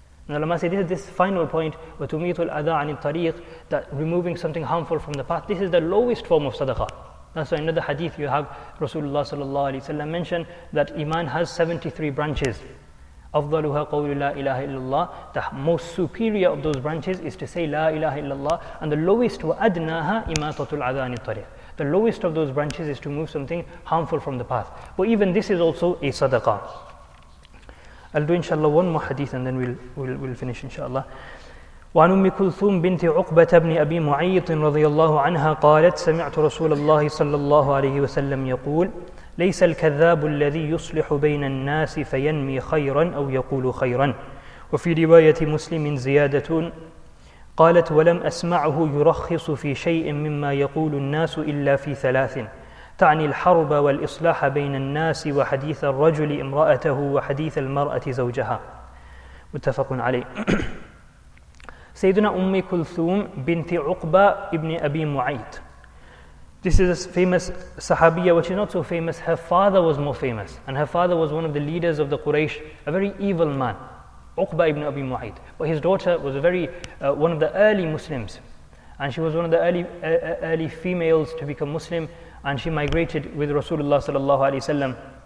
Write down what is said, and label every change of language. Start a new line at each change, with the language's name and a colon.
English: And Allah say, this final point,
Arabic: وَتُمِيطُ الْأَذَىٰ عَنِ الطَّرِيقِ,
English: that removing something harmful from the path, this is the lowest form of sadaqah. That's why another hadith you have, Rasulullah sallallahu alayhi wa sallam mentioned that iman has 73 branches.
Arabic: أَفْضَلُهَا قَوْلُ لَا إِلَهَ إِلَّا اللَّهِ.
English: The most superior of those branches is to say
Arabic: لَا إِلَهَ إِلَّا اللَّهِ.
English: And the lowest,
Arabic: وَأَدْنَاهَا إِمَاطَةُ الْعَذَىٰ عَنِ الطَّرِيقِ.
English: The lowest of those branches is to move something harmful from the path. But even this is also a sadaqah. I'll do inshallah one more hadith and then we'll finish inshallah.
Arabic: وعن أم كلثوم بنت عقبة بن أبي معيط رضي الله عنها قالت سمعت رسول الله صلى الله عليه وسلم يقول ليس الكذاب الذي يصلح بين الناس فينمي خيرا أو يقول خيرا. وفي رواية مسلم زيادة قالت ولم أسمعه يرخص في شيء مما يقول الناس إلا في ثلاث تعني الحرب والإصلاح بين الناس وحديث الرجل امرأته وحديث المرأة زوجها. متفق عليه. سيدنا أم كلثوم بنت عقبة ابن أبي معيط.
English: This is a famous Sahabiya, which is not so famous. Her father was more famous. And her father was one of the leaders of the Quraysh, a very evil man, Uqba ibn Abi Mu'ayt. But his daughter was one of the early Muslims. And she was one of the early females to become Muslim, and she migrated with Rasulullah sallallahu alaihi wasallam.